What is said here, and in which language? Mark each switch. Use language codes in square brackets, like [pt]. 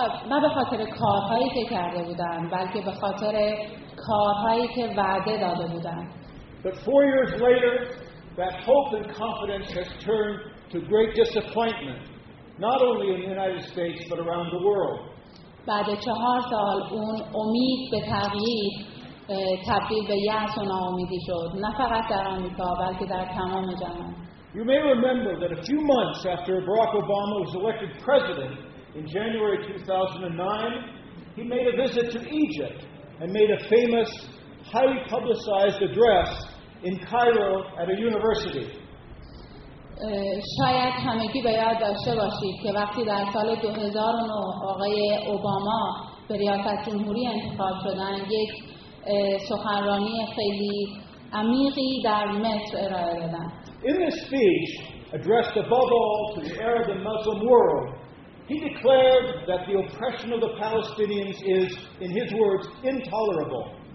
[fa] نه به خاطر کارهایی که کرده بودند، بلکه به خاطر کارهایی که وعده داده بودند. [en] But 4 years later, that hope and confidence has turned to great disappointment, not only in the United States but around the world. [fa] بعد 4 سال اون امید به تغییر تبدیل به یأس و ناامیدی شد، نه فقط در آمریکا بلکه در تمام جهان. [en] You may remember that a few months after Barack Obama was elected president in January 2009, he made a visit to Egypt and made a famous, highly publicized address in Cairo at a university. [fa] شاید همگی به یاد داشته باشید که وقتی در سال 2009 آقای اوباما به ریاست جمهوری انتخاب شدن، یک سخنرانی خیلی عمیقی در مصر ارائه دادن. [en] In this speech, addressed above all to the Arab and Muslim world, he declared that the oppression of the Palestinians is, in his words, intolerable.